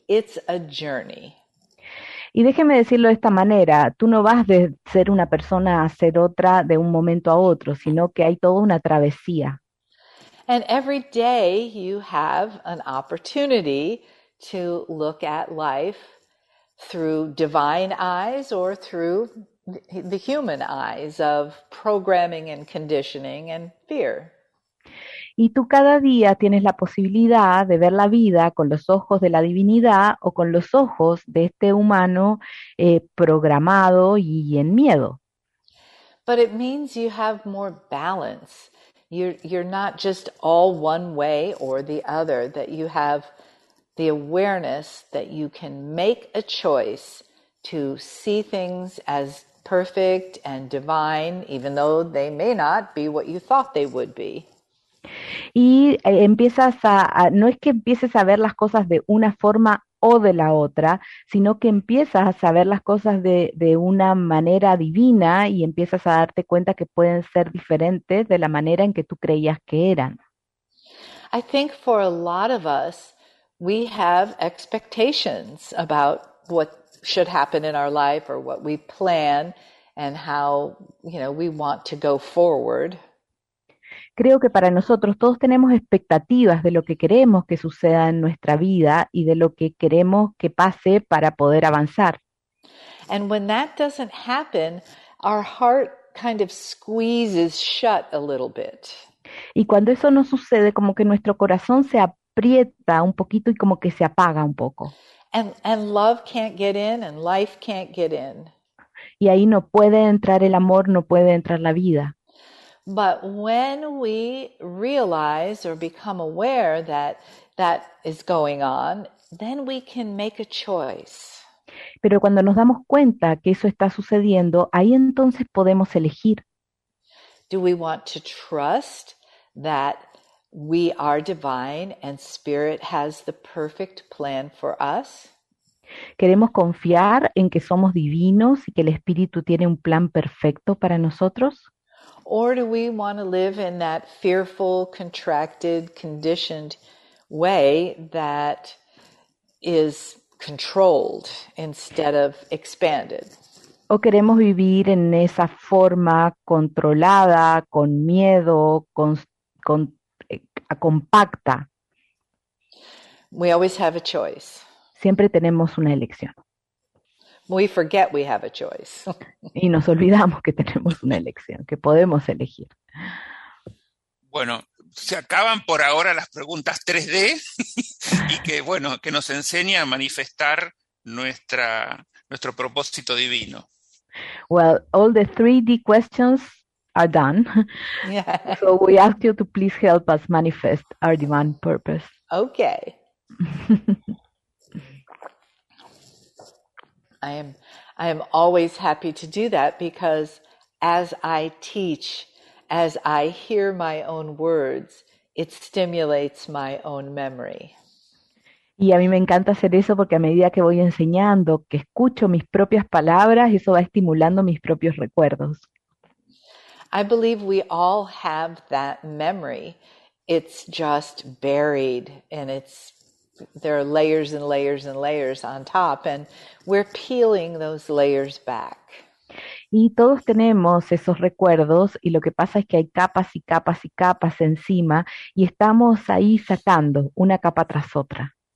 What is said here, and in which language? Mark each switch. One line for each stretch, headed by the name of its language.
English: It's a journey.
Spanish: Y déjeme decirlo de esta manera, tú no vas de ser una persona a ser otra de un momento a otro, sino que hay toda una travesía.
English: And every day you have an opportunity to look at life through divine eyes or through the human eyes of programming and conditioning and fear.
Spanish: Y tú cada día tienes la posibilidad de ver la vida con los ojos de la divinidad o con los ojos de este humano programado y en miedo.
English: But it means you have more balance. You're not just all one way or the other, that you have the awareness that you can make a choice to see things as perfect and divine, even though they may not be what you thought they would be.
Spanish: y empiezas a no es que empieces a ver las cosas de una forma o de la otra, sino que empiezas a ver las cosas de una manera divina y empiezas a darte cuenta que pueden ser diferentes de la manera en que tú creías que eran.
English: I think for a lot of us, we have expectations about what should happen in our life or what we plan and how, we want to go forward.
Spanish: Creo que para nosotros todos tenemos expectativas de lo que queremos que suceda en nuestra vida y de lo que queremos que pase para poder avanzar.
English: And when that doesn't happen, our heart kind of squeezes shut a little bit.
Spanish: Y cuando eso no sucede, como que nuestro corazón se aprieta un poquito y como que se apaga un poco.
English: And love can't get in and life can't get in.
Spanish: Y ahí no puede entrar el amor, no puede entrar la vida.
English: But when we realize or become aware that that is going on, then we can make a choice.
Spanish: Pero cuando nos damos cuenta que eso está sucediendo, ahí entonces podemos elegir.
English: Do we want to trust that we are divine and spirit has the perfect plan for us?
Spanish: ¿Queremos confiar en que somos divinos y que el Espíritu tiene un plan perfecto para nosotros?
English: Or do we want to live in that fearful, contracted, conditioned way that is controlled instead of expanded?
Spanish: ¿O queremos vivir en esa forma controlada, con miedo, compacta?
English: We always have a choice.
Spanish: Siempre tenemos una elección.
English: We forget we have a choice.
Spanish: Y nos olvidamos que tenemos una elección, que podemos elegir. Bueno, se acaban por ahora las preguntas 3D y que, bueno, que nos enseñe a manifestar nuestro propósito divino.
English: Well, all the 3D questions are done. So we ask you to please help us manifest our divine purpose. I am always happy to do that because as I teach, as I hear my own words, it stimulates my own memory.
Spanish: Y a mí me encanta hacer eso porque a medida que voy enseñando, que escucho mis propias palabras, eso va estimulando mis propios recuerdos.
English: I believe we all have that memory. It's just buried and there are layers and layers and layers on top, and we're peeling those layers back.
Spanish: Y todos tenemos esos recuerdos y lo que pasa es que hay capas y capas y capas encima y estamos ahí sacando una capa tras otra.